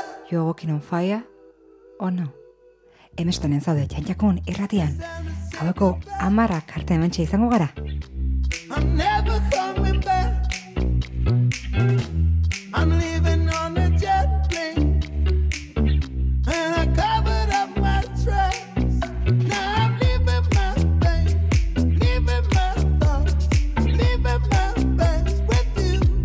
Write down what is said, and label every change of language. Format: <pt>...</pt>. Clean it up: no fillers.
<en>You're walking on fire, oh no.</en> <eu>Hemestan entzaude, txantxakun, irratian. Gaueko amarrak arte hementxe izango gara.</eu> <en>I'm never coming back. I'm leaving on a jet plane. And I covered up my tracks. Now I'm leaving my pain. Leaving my thoughts. Leaving my pains with you.</en>